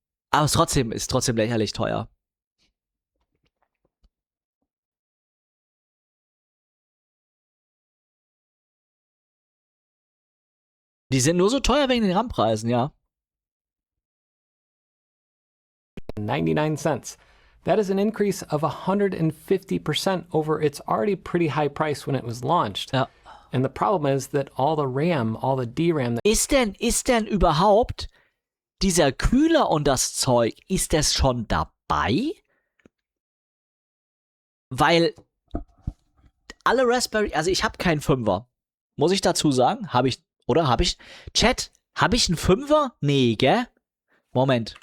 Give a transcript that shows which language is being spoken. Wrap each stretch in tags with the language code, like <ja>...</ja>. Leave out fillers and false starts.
<de>Aber es ist trotzdem lächerlich teuer. Die sind nur so teuer wegen den RAM-Preisen, ja.</de> <en>99 cents. That is an increase of 150% over its already pretty high price when it was launched.</en> <de>Ja.</de> <en>And the problem is that all the RAM, all the DRAM...</en> <de>Ist denn überhaupt dieser Kühler und das Zeug, ist das schon dabei? Weil alle Raspberry... Also ich habe keinen Fünfer. Muss ich dazu sagen? Chat, habe ich einen Fünfer? Nee, gell? Moment.</de>